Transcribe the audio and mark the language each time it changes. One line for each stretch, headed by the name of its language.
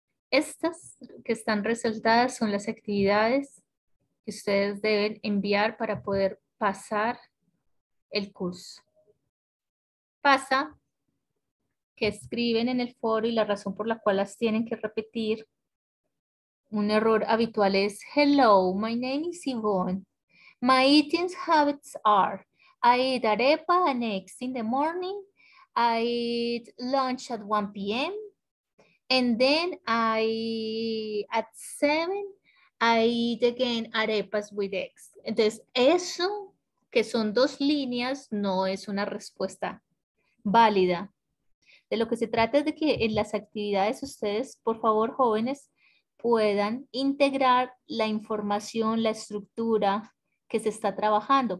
Spanish: Estas que están resaltadas son las actividades que ustedes deben enviar para poder pasar el curso. Pasa que escriben en el foro y la razón por la cual las tienen que repetir. Un error habitual es,
English: hello, my name is Yvonne. My eating habits are, I eat arepa and eggs in the morning. I eat lunch at 1 p.m. And then at 7, I eat again arepas with eggs.
Spanish: Entonces, eso que son dos líneas no es una respuesta válida. De lo que se trata es de que en las actividades ustedes, por favor, jóvenes, puedan integrar la información, la estructura que se está trabajando.